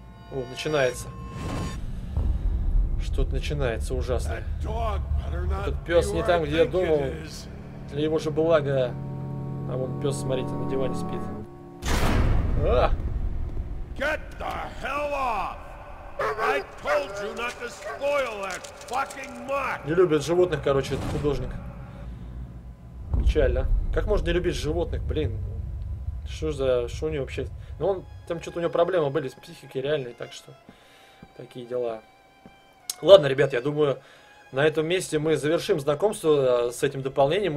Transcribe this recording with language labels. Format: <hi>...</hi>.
<ru>О, начинается. Что-то начинается ужасное. Этот пес не там, где я думал. Для его же блага. А вон пес, смотрите, на диване спит.</ru> <en>Get the hell off! I told you not to spoil that fucking mark.</en> <ru>Не любит животных, короче, этот художник. Печально. Как можно не любить животных, блин? Что за... Что у него вообще? Ну, он... Там что-то у него проблемы были с психикой реальной, так что... Такие дела. Ладно, ребят, я думаю, на этом месте мы завершим знакомство с этим дополнением.</ru>